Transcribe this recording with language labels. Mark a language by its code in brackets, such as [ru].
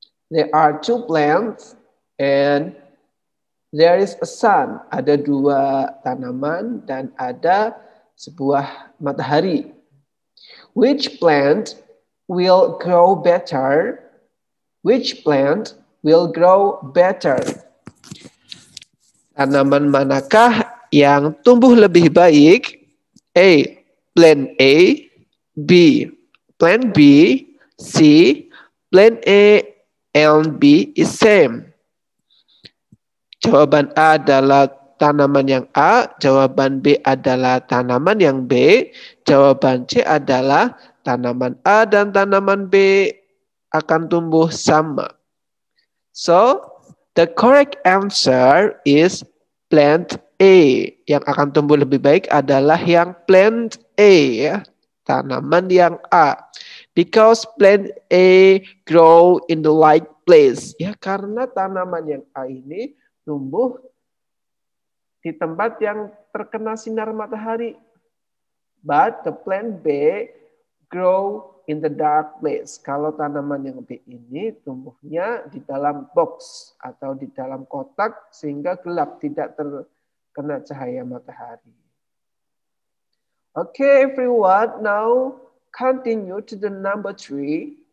[en] There are two plants and there is a sun. [id] Ada dua tanaman dan ada sebuah matahari. [en] Which plant will grow better? Which plant will grow better? [id] Tanaman manakah yang tumbuh lebih baik? [en] A. Plant A. B. Plant B. C. Plant A and B is same. [id] Jawaban A adalah tanaman yang A. Jawaban B adalah tanaman yang B. Jawaban C adalah tanaman A dan tanaman B akan tumbuh sama. [en] So, the correct answer is plant A. [id] Yang akan tumbuh lebih baik adalah yang plant A, ya. Tanaman yang A. [en] Because plant A grow in the right place. [id] Ya, karena tanaman yang A ini tumbuh di tempat yang terkena sinar matahari. [en] But the plant B grow in the dark place. [id] Kalau tanaman yang B ini tumbuhnya di dalam box atau di dalam kotak sehingga gelap, tidak terkena cahaya matahari. [en] Okay, everyone, now continue to the number three.